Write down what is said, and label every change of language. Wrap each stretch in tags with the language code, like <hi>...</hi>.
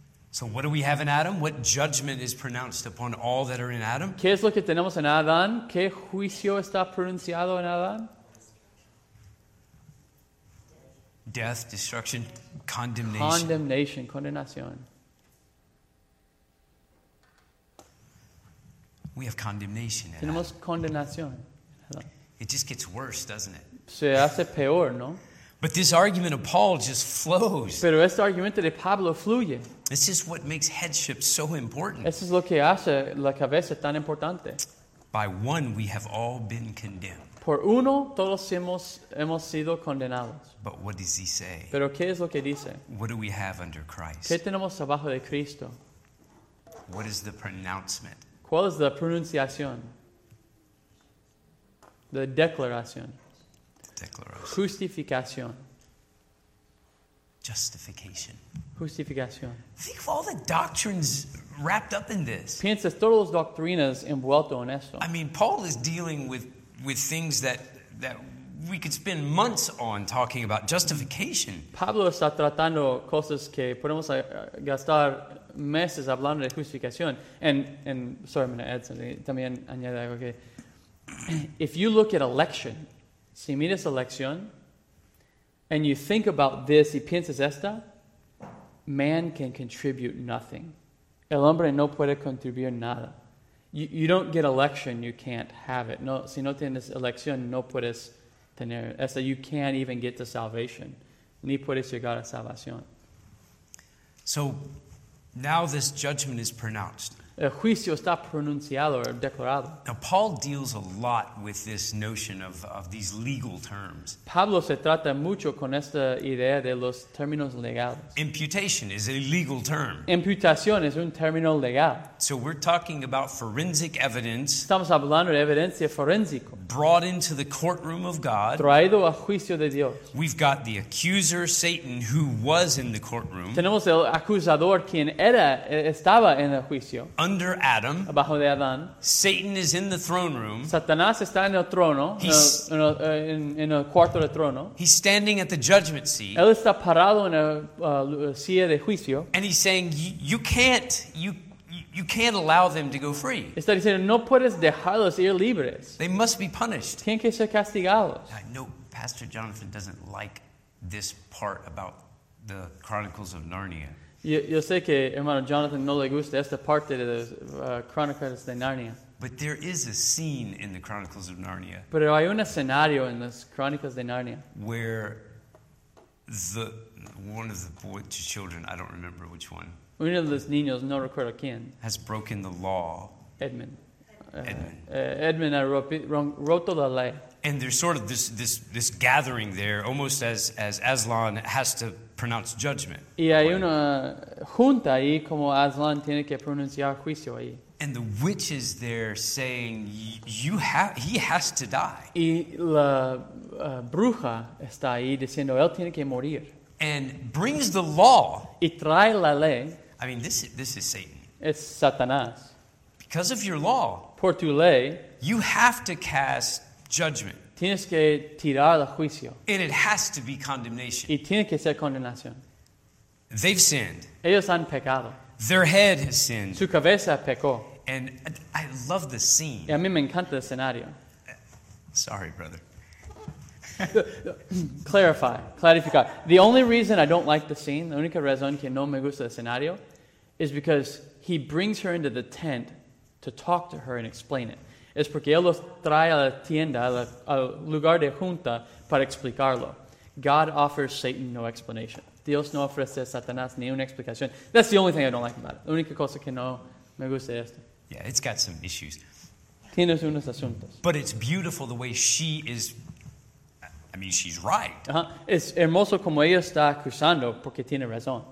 <en>So what do we have in Adam? What judgment is pronounced upon all that are in Adam?</en> <es>¿Qué es lo que tenemos en Adán? ¿Qué juicio está pronunciado en Adán?</es> <en>Death, destruction, condemnation.</en> <es>Condemnation, condenación.</es> <en>We have condemnation.</en> <es>Tenemos condenación.</es> <en>It just gets worse, doesn't it?</en> <es>Se hace peor, ¿no?</es> <en>But this argument of Paul just flows.</en> <es>Pero este argumento de Pablo fluye.</es> <en>This is what makes headship so important.</en> <es>Eso es lo que hace la cabeza tan importante.</es> <en>By one, we have all been condemned.</en> <es>Por uno, todos hemos sido condenados.</es> <en>But what does he say?</en> <es>Pero ¿qué es lo que dice?</es> <en>What do we have under Christ?</en> <es>¿Qué tenemos abajo de Cristo?</es> <en>What is the pronouncement?</en> <es>¿Cuál es la pronunciación? La declaración. Declaración. Justificación.</es> <en>Justification.</en> <es>Justificación.</es> <en>Think of all the doctrines wrapped up in this.</en> <es>Piensas todas las doctrinas envueltas en esto.</es> <en>I mean, Paul is dealing with things that we could spend months on talking about. Justification.</en> <es>Pablo está tratando cosas que podemos gastar meses hablando de justificación.</es> <en>And sorry, I'm going to add something.</en> <es>También añade algo que...</es> <en>If you look at election,</en> <es>si miras election,</es> <en>and you think about this</en> <es>y piensas esta,</es> <en>man can contribute nothing.</en> <es>El hombre no puede contribuir nada.</es> <en>You don't get election, you can't have it.</en> <es>No, si no tienes election, no puedes tener esta.</es> <en>You can't even get to salvation.</en> <es>Ni puedes llegar a salvación.</es> <en>So, now this judgment is pronounced.</en> <es>El juicio está pronunciado o declarado.</es> <en>Now Paul deals a lot with this notion of these legal terms.</en> <es>Pablo se trata mucho con esta idea de los términos legales.</es> <en>Imputation is a legal term.</en> <es>Imputación es un término legal.</es> <en>So we're talking about forensic evidence.</en> <es>Estamos hablando de evidencia forénsica.</es> <en>Brought into the courtroom of God.</en> <es>Traído a juicio de Dios.</es> <en>We've got the accuser, Satan, who was in the courtroom.</en> <es>Tenemos el acusador quien era estaba en el juicio.</es> <en>Under Adam,</en> <es>abajo de Adán,</es> <en>Satan is in the throne room.</en> <es>Satanás está en el trono, en el cuarto de trono.</es> <en>He's standing at the judgment seat.</en> <es>Él está parado en el silla de juicio.</es> <en>And he's saying, you can't allow them to go free.</en> <es>Está diciendo, no puedes dejarlos ir libres.</es> <en>They must be punished.</en> <es>Tienen que ser castigados.</es> <en>No, Pastor Jonathan doesn't like this part about the Chronicles of Narnia.</en> <es>Yo sé que hermano Jonathan no le gusta esta parte de las Crónicas de Narnia.</es> <en>But there is a scene in the Chronicles of Narnia.</en> <es>Pero hay un escenario en las Crónicas de Narnia.</es> <en>Where the one of the boys, children, I don't remember which one.</en> <es>Uno de los niños, no recuerdo quién.</es> <en>Has broken the law.</en> <es>Edmund. Edmund ha roto la ley.</es> <en>And there's sort of this gathering there, almost as Aslan has to pronounce judgment.</en> <es>Y hay una junta ahí como Aslan tiene que pronunciar juicio ahí.</es> <en>And the witch is there saying, he has to die.</en> <es>Y la bruja está ahí diciendo, él tiene que morir.</es> <en>And brings the law.</en> <es>Y trae la ley.</es> <en>I mean, this is Satan.</en> <es>Es Satanás.</es> <en>Because of your law.</en> <es>Por tu ley.</es> <en>You have to cast judgment.</en> <es>Tienes que tirar el juicio.</es> <en>And it has to be condemnation.</en> <es>Y tiene que ser condenación.</es> <en>They've sinned.</en> <es>Ellos han pecado.</es> <en>Their head has sinned.</en> <es>Su cabeza pecó.</es> <en>And I love the scene.</en> <es>Y a mí me encanta el escenario.</es> <en>Sorry, brother.</en> <es>Clarificar.</es> <en>The only reason I don't like the scene,</en> <es>la única razón que no me gusta el escenario,</es> <en>is because he brings her into the tent to talk to her and explain it.</en> <es>Es porque él los trae a la tienda, al lugar de junta, para explicarlo.</es> <en>God offers Satan no explanation.</en> <es>Dios no ofrece a Satanás ni una explicación.</es> <en>That's the only thing I don't like about it.</en> <es>La única cosa que no me gusta es esto.</es> <en>Yeah, it's got some issues.</en> <es>Tiene unos asuntos.</es> <en>But it's beautiful the way she is. I mean, she's right.</en> <es>Es hermoso como ella está cruzando porque tiene razón.</es>